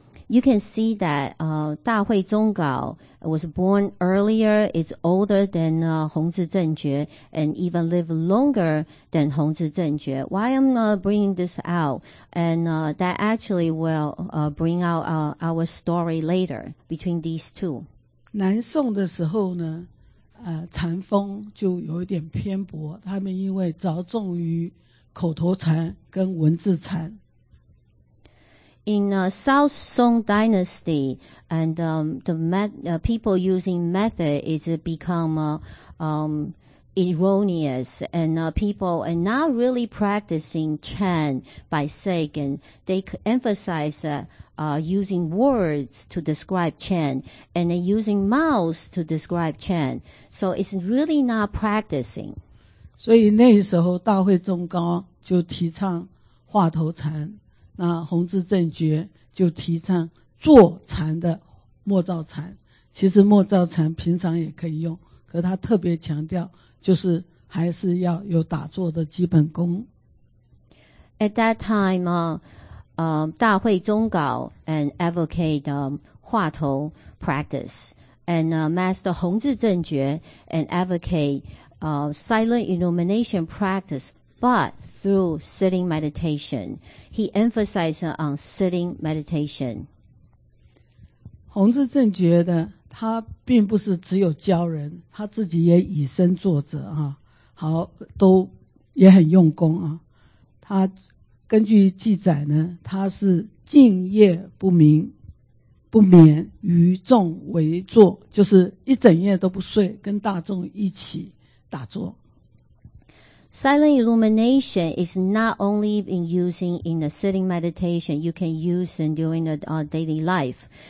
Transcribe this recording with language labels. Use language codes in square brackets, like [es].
[en] You can see that 大会宗稿 was born earlier, is older than 弘智正觉 and even live longer than 弘智正觉. Why I'm bringing this out? And that actually will bring out our story later between these two. [zh] 南宋的时候呢，禅风就有一点偏薄，他们因为着重于口头禅跟文字禅。 [en] In South Song Dynasty, and people using method is become erroneous, and people are not really practicing Chan by saying, and they emphasize using words to describe Chan, and then using mouths to describe Chan. So it's really not practicing. [zh] 所以那时候大会宗高就提倡话头禅，那弘智正觉就提倡坐禅的默照禅。其实默照禅平常也可以用，可是他特别强调就是还是要有打坐的基本功。 [en] At that time, 大会宗稿 and advocate 话头 practice, and Master 弘智正觉 and advocate silent illumination practice. But through sitting meditation, he emphasized on sitting meditation. [zh] 弘智正觉的他并不是只有教人，他自己也以身作则啊，好，都也很用功啊。他根据记载呢，他是静夜不明不眠，与众为坐，就是一整夜都不睡，跟大众一起打坐。 [en] Silent illumination is not only being used in the sitting meditation, you can use it during the daily life.